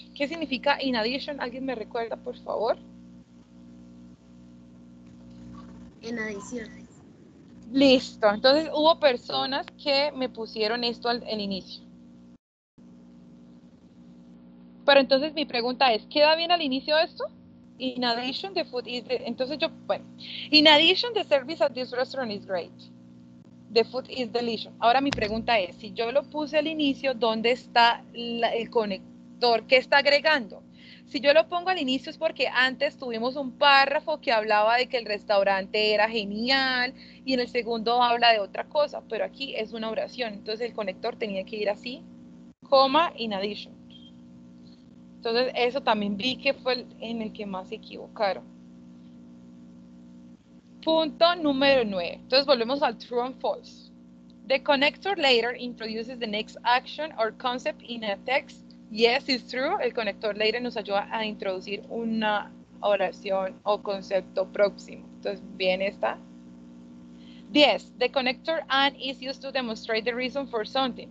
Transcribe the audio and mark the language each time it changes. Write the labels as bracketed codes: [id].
[es] ¿Qué significa in addition? ¿Alguien me recuerda, por favor? En adición. Listo. Entonces, hubo personas que me pusieron esto al inicio. Pero entonces, mi pregunta es, ¿queda bien al inicio esto? [en] In addition, the food is the, [es] entonces yo, bueno, [en] in addition, the service at this restaurant is great. The food is delicious. [es] Ahora mi pregunta es, si yo lo puse al inicio, ¿dónde está el conector? ¿Qué está agregando? Si yo lo pongo al inicio es porque antes tuvimos un párrafo que hablaba de que el restaurante era genial y en el segundo habla de otra cosa, pero aquí es una oración. Entonces el conector tenía que ir así, coma, in addition. Entonces eso también vi que fue en el que más se equivocaron. Punto número 9. Entonces volvemos al true and false. [en] The connector later introduces the next action or concept in a text. Yes, it's true. [es] El conector later nos ayuda a introducir una oración o concepto próximo. Entonces, bien está. 10. [en] The connector and is used to demonstrate the reason for something.